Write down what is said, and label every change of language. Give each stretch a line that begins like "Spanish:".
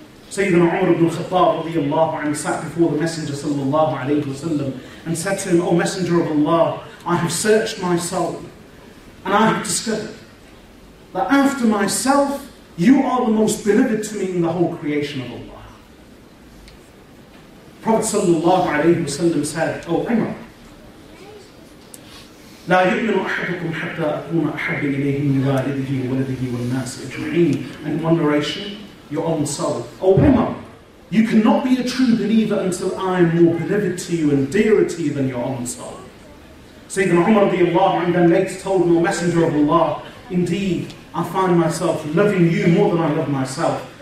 English: Sayyidina Umar ibn Khattab radiallahu anhu sat before the Messenger sallallahu alayhi wa sallam and said to him, O Messenger of Allah, I have searched my soul and I have discovered that after myself, you are the most beloved to me in the whole creation of Allah. Prophet sallallahu alayhi wa sallam said, O Umar,
Arabic: لا يؤمن أحدكم حتى أكون أحب إليه من والده وولده والناس أجمعين.
English: And in one narration, your own soul. O Umar, you cannot be a true believer until I am more beloved to you and dearer to you than your own soul. Sayyidina Umar radiallahu anhu then later told him, O Messenger of Allah, indeed, I find myself loving you more than I love myself.